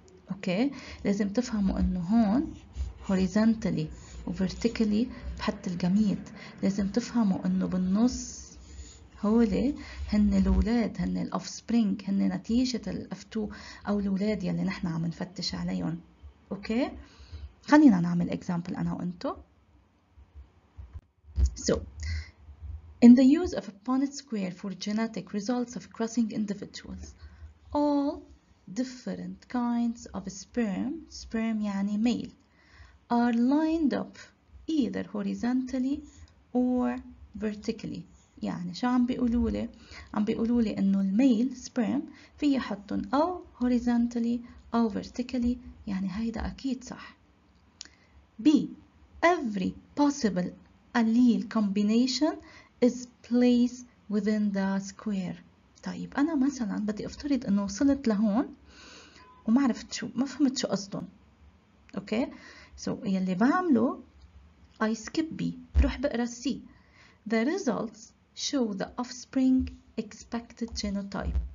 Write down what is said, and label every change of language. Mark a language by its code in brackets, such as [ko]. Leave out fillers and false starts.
[ar] أوكي؟ لازم تفهموا إنه هون horizontally وvertically بحط الجميت. لازم تفهموا إنه بالنص هولي هن الأولاد، هن الأوفسبرينج، هن نتيجة الأفتو أو الأولاد يلي نحن عم نفتش عليهم. أوكي؟ خلينا نعمل example أنا وأنتو. [en] So in the use of a Punnett square for genetic results of crossing individuals, all different kinds of sperm يعني male are lined up either horizontally or vertically. [ar] يعني شو عم بيقولوا لي؟ عم بيقولوا لي إنه الميل sperm فيي حطهم أو horizontally أو vertically، يعني هيدا أكيد صح. B. [en] Every possible allele combination is placed within the square. [ar] طيب أنا مثلا بدي أفترض إنه وصلت لهون وما عرفت شو، ما فهمت شو قصدهم. أوكي؟ سو يلي بعمله [en] I skip B، [ar] بروح بقرا C. [en] The results show the offspring expected genotype.